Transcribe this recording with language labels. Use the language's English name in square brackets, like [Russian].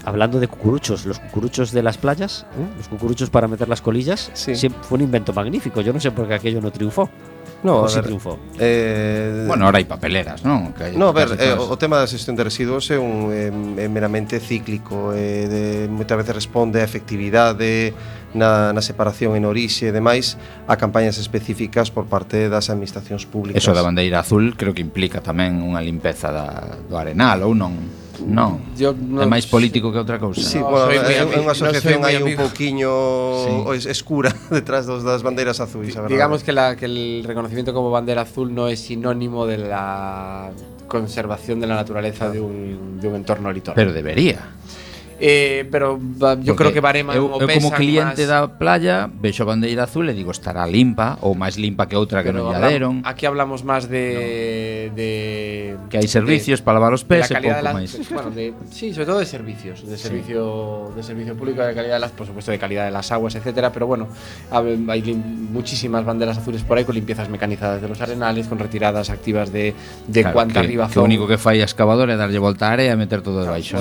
[Spanish] Hablando de cucuruchos, los cucuruchos de las playas, ¿eh? Los cucuruchos para meter las colillas, sí. Fue un invento magnífico. Yo no sé por qué aquello no triunfó. No, o sí triunfó. Bueno, ahora hay papeleras, ¿no? Hay [Galician] no, a ver, o tema de la gestión de residuos es meramente cíclico. [Spanish] Muchas veces responde [Galician] a efectividade na separación en orixe e demais a campañas específicas por parte das administracións públicas. Eso da bandeira azul creo que implica tamén unha limpeza do arenal, ou non? [Spanish] No, yo no, [Galician] é máis político que outra cousa. Sí, no, bueno, é unha asociación aí un pouquiño escura detrás das bandeiras azuis. [Spanish] Digamos que el reconocimiento como bandera azul no es sinónimo de la conservación de la naturaleza de un entorno litoral. Pero debería. Pero yo creo que Barema [Galician] eu como cliente da playa vexo a bandeira azul e digo estará limpa ou máis limpa que outra que non lle deron. [Spanish] Aquí hablamos máis de [Galician] que hai servicios para lavar os pés e pouco máis. [Spanish] Sí, sobre todo de servicios, de servicio público, de calidad de las, por supuesto, de calidad de las aguas, etcétera, pero bueno, hai muchísimas banderas azules por aí con limpiezas mecanizadas de los arenales, con retiradas activas de claro, cuanta arriba [Galician] que o único que fai a excavadora é darlle volta a área e meter todo debaixo.